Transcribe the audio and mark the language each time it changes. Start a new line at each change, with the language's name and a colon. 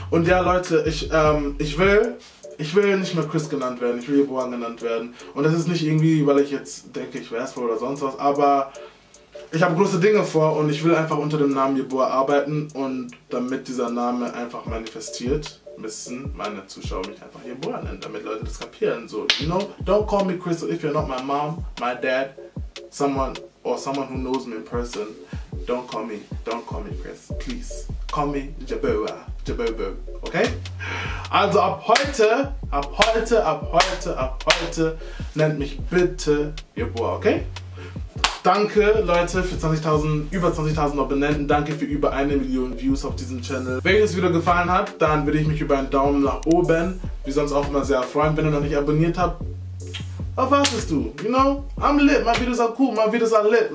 German: Und ja, Leute, ich will nicht mehr Chris genannt werden, ich will Yeboah genannt werden. Und das ist nicht irgendwie, weil ich jetzt denke, ich wäre es wohl oder sonst was, aber ich habe große Dinge vor und ich will einfach unter dem Namen Yeboah arbeiten und damit dieser Name einfach manifestiert, müssen meine Zuschauer mich einfach Yeboah nennen, damit Leute das kapieren.
English: So, you know, don't call me Chris if you're not my mom, my dad, someone or someone who knows me in person. Don't call me Chris, please. Call me Jabobo, okay?
German: Also ab heute, nennt mich bitte Yeboah, okay? Danke, Leute, für über 20.000 Abonnenten. Danke für über 1 Million Views auf diesem Channel. Wenn euch das Video gefallen hat, dann würde ich mich über einen Daumen nach oben, wie sonst auch immer, sehr freuen. Wenn ihr noch nicht abonniert habt, auf was bist du?
English: You know, I'm lit, my videos are cool, my videos are lit.